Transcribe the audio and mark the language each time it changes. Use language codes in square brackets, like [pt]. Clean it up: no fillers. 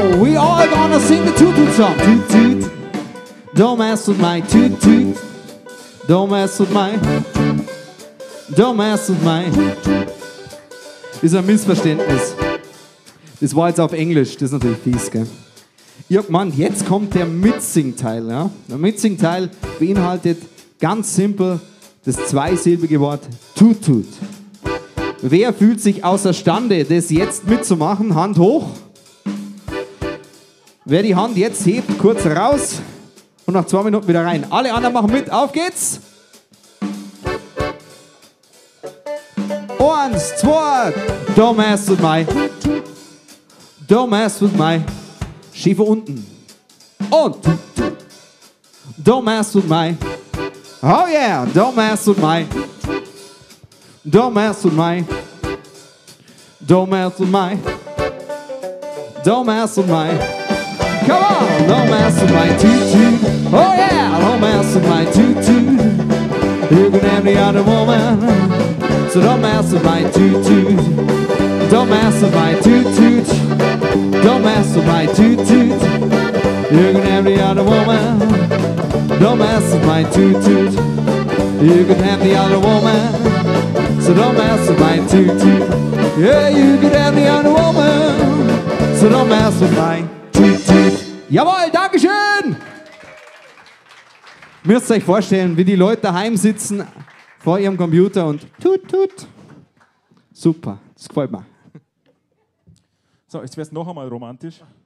[en] Song. Toot toot, don't mess with my toot toot. Don't mess with my, don't mess with my. [de] Ist ein Missverständnis. Das war jetzt auf Englisch, das ist natürlich fies, gell? Ja, Mann, jetzt kommt der Mitsing-Teil, ja? Der Mitsing-Teil beinhaltet ganz simpel das zweisilbige Wort toot toot. Wer fühlt sich außerstande, das jetzt mitzumachen? Hand hoch! Wer die Hand jetzt hebt, kurz raus und nach 2 Minuten wieder rein. Alle anderen machen mit, auf geht's! [en] 1, 2, don't mess with my, don't mess with my, [de] Schiefer unten. [en] Und, don't mess with my, oh yeah, don't mess with my, don't mess with my, don't mess with my, don't mess with my. Come on, don't mess with my tutu. Oh yeah, don't mess with my tutu. You can have the other woman, so don't mess with my tutu. Don't mess with my tutu. Don't mess with my tutu. You can have the other woman, don't mess with my tutu. You can have the other woman, so don't mess with my tutu. Yeah, you can have the other woman, so don't mess with my. [de] Jawohl, Dankeschön! Müsst ihr euch vorstellen, wie die Leute daheim sitzen vor ihrem Computer und tut tut. Super, das gefällt mir. So, jetzt wär's noch einmal romantisch.